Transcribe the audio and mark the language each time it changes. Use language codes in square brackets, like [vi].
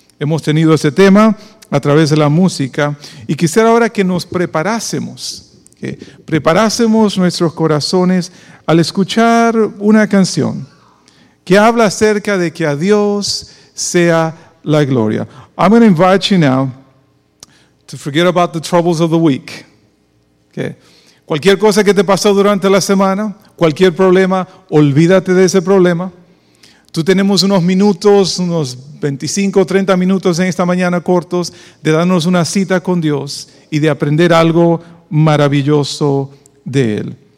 [es] Hemos tenido ese tema a través de la música y quisiera ahora que nos preparásemos, que preparásemos nuestros corazones al escuchar una canción que habla acerca de que a Dios sea la gloria. [en] I'm going to invite you now to forget about the troubles of the week. Okay. [es] Cualquier cosa que te pasó durante la semana, cualquier problema, olvídate de ese problema. Tú tenemos unos minutos, unos 25 o 30 minutos en esta mañana cortos de darnos una cita con Dios y de aprender algo maravilloso de Él.